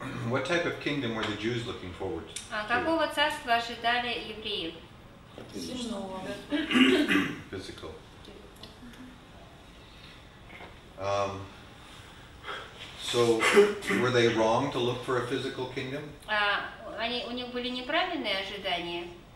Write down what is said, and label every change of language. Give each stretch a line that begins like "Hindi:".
English: What type of kingdom were the Jews looking forward to?
Russian: Какого царства ожидали евреи? Земного.
English: Physical. So were they wrong to look for a physical kingdom?
Russian: У них были неправильные ожидания.